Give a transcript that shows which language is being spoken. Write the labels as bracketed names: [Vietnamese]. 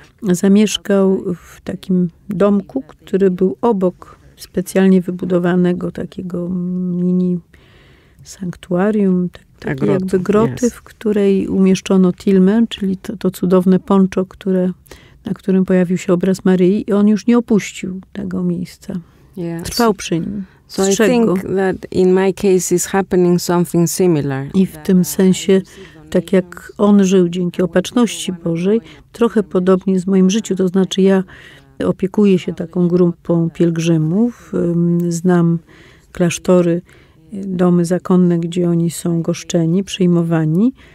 [Polish] Zamieszkał w takim domku, który był obok specjalnie wybudowanego takiego mini sanktuarium, takie jakby groty, w której umieszczono tilmę, czyli to cudowne poncho, na którym pojawił się obraz Maryi, i on już nie opuścił tego miejsca. [English] Yes. [Polish] Trwał przy nim. [English] So I think that in my case is happening something similar. [Polish] I w tym sensie, tak jak on żył dzięki opatrzności Bożej, trochę podobnie z moim życiu, to znaczy ja opiekuję się taką grupą pielgrzymów, znam klasztory, domy zakonne, gdzie oni są goszczeni, przyjmowani.